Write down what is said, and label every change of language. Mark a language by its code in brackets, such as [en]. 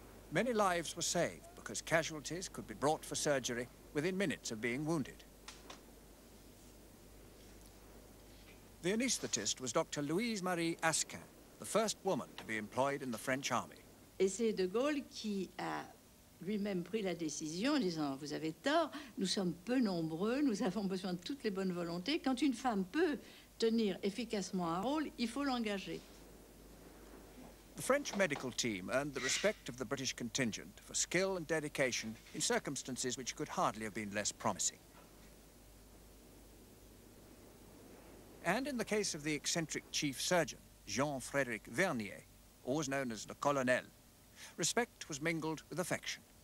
[en] Many lives were saved because casualties could be brought for surgery within minutes of being wounded. The anaesthetist was Dr. Louise Marie Asquin, the first woman to be employed in the French army. [fr] Et c'est de Gaulle qui a lui-même pris la décision, disant, vous avez tort, nous sommes peu nombreux, nous avons besoin de toutes les bonnes volontés. Quand une femme peut tenir efficacement un rôle, il faut l'engager. [en] The French medical team earned the respect of the British contingent for skill and dedication in circumstances which could hardly have been less promising. And in the case of the eccentric chief surgeon, Jean-Frédéric Vernier, always known as Le Colonel, respect was mingled with affection.